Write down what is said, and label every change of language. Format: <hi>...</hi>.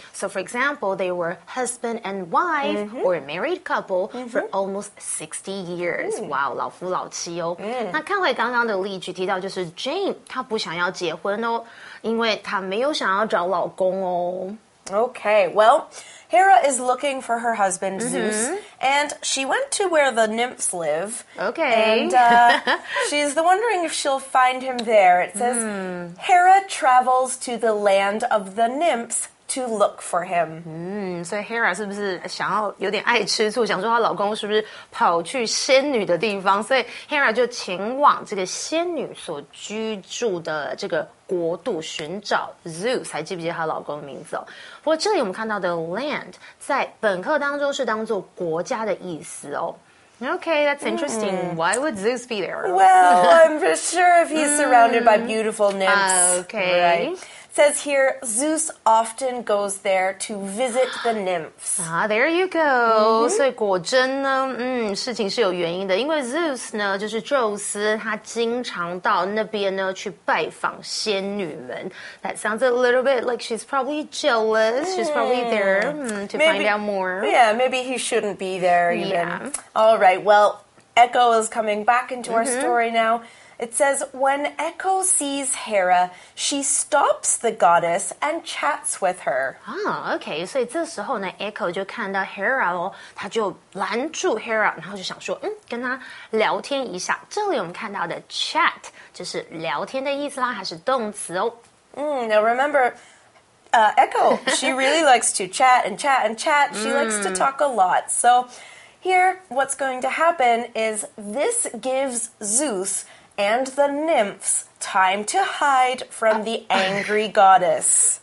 <en>So for example， they were husband and wife、or a married couple、for almost 60 years、Wow，</en> <zh>老夫老妻哦。那看回刚刚的例句提到，就是 Jane 她不想要结婚哦。因为她没有想要找老公哦。</zh> <en>Okay, well, Hera is looking for her husband, Zeus, and she went to where the nymphs live. Okay. And she's wondering if she'll find him there. It says, Hera travels to the land of the nymphs to look for him.</en> <zh>所以 Hera 是不是想要有点爱吃醋，想说她老公是不是跑去仙女的地方，所以 Hera 就前往这个仙女所居住的这个国度寻找 Zeus， 还记不记得她老公的名字哦？不过这里我们看到的 land 在本课当中是当作国家的意思哦。</zh> <en>Okay, that's interesting. Why would Zeus be there? Well, I'm sure if he's surrounded by beautiful nymphs. Okay. Right? Says here, Zeus often goes there to visit the nymphs. Ah, there you go.</en> <zh>所以果真呢，事情是有原因的。因为 Zeus 呢，就是宙斯，他经常到那边呢去拜访仙女们。</zh> <en>That sounds a little bit like she's probably jealous. She's probably there to find out more. Yeah, maybe he shouldn't be there even. Yeah. All right, well, Echo is coming back into our story now. It says, when Echo sees Hera, she stops the goddess and chats with her. Okay,</en> <zh>所以这时候呢 ,Echo 就看到 Hera 咯，她就拦住 Hera, 然后就想说跟她聊天一下。这里我们看到的 chat, 就是聊天的意思啦，还是动词哦。</zh> <en>Now remember,Echo, she really likes to chat and chat and chat. She likes to talk a lot, so... Here, what's going to happen is this gives Zeus and the nymphs time to hide from the angry goddess.</en>